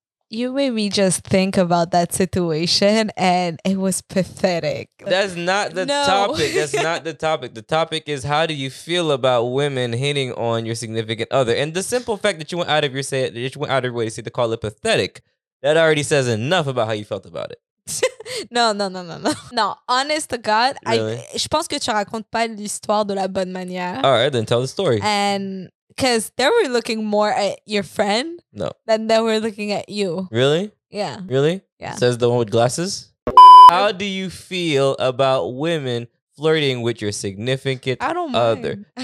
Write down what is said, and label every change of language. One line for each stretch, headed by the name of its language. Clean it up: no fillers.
English: You made me just think about that situation, and it was pathetic. That's not the topic. That's not the topic. The topic is, how do you feel about women hitting on your significant other? And the simple fact that you went out of your say, that you went out of your way to say, to call it pathetic, that already says enough about how you felt about it. No, honest to God, really?
French: I pense que tu racontes pas l'histoire de la bonne manière.
English: All right, then tell the story. And because they were looking more at your friend than they were looking at you. Really? Yeah. Really? Yeah. Says the one with glasses. How do you feel about women flirting with your significant other? I don't